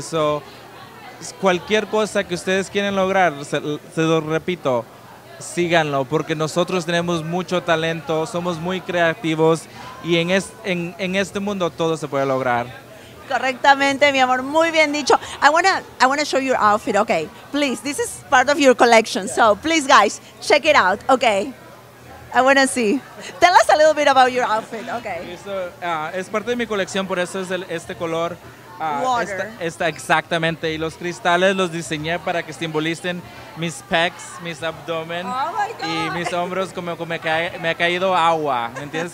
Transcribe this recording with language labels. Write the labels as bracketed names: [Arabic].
[Spanish] So, cualquier cosa que ustedes quieren lograr, se lo repito, síganlo, porque nosotros tenemos mucho talento, somos muy creativos y en este mundo todo se puede lograr. Correctamente, mi amor, muy bien dicho. I wanna show your outfit, okay? [English] Please, this is part of your collection, yeah. So please, guys, check it out, okay? I wanna see. Tell us a little bit about your outfit, okay? [Spanish] Es parte de mi colección, por eso es este color. Está exactamente, y los cristales los diseñé para que simbolicen mis pecs, mis abdomen, oh y mis hombros, como me ha caído agua, ¿me entiendes?